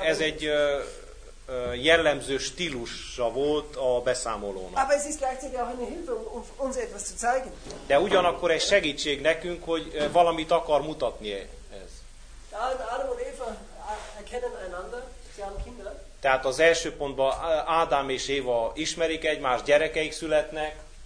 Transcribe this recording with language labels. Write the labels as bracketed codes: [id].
[hu] Ez egy jellemző stílusa volt a beszámolónak. [de] Aber es ist gleichzeitig auch eine Hilfe, um uns etwas zu zeigen. [hu] De ugyanakkor egy segítség nekünk, hogy valamit akar mutatni ez. [de] Adam und Eva erkennen einander, sie haben Kinder. [hu] Tehát az első pontban Ádám és Éva ismerik egymást, gyerekeik születnek.